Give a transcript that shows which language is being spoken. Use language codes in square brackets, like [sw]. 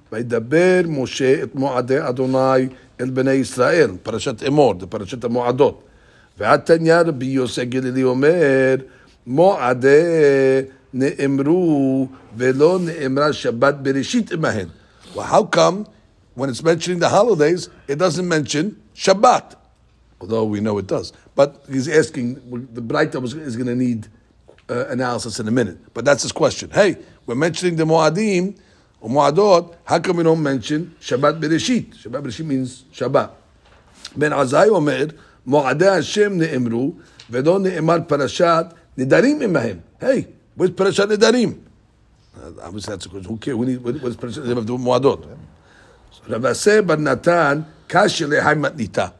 [he] וידבר משה את מועדי אדוני אל בני ישראל, פרשת אמור, זה פרשת המועדות. ועתניא רבי יוסי גלילי אומר, מועדי נאמרו ולא נאמרה שבת בראשית אמהן. [en] Well, how come, when it's mentioning the holidays, it doesn't mention שבת? Although we know it does. But he's asking, the Brita is going to need analysis in a minute. But that's his question. Hey, we're mentioning the מועדים, ומועדות, how come we don't mention Shabbat Bereshit? Shabbat Bereshit means Shabbat. [he] בן עזאי אומר, מועדי השם נאמרו, ולא נאמר פרשת נדרים ממהם. [en] Hey, what is פרשת נדרים? Obviously that's a question. Who cares? What is פרשת נדרים? The מועדות. [he] רבי עשה בר נתן, קשה להי מתניתה.